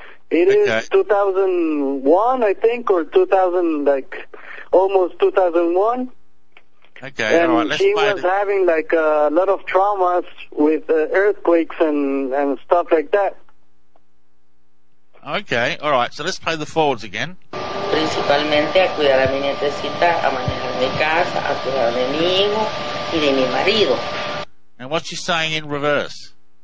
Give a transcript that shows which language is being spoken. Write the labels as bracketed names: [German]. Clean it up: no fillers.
[English] It is 2001, I think, or 2000, like almost 2001. Okay, and all right, having like a lot of traumas with earthquakes and stuff like that. Okay, all right, so let's play the forwards again. [Spanish] Principalmente a cuidar a mi nietecita, a manejar mi casa, a cuidar de mi hijo y de mi marido. [English] And what's she saying in reverse?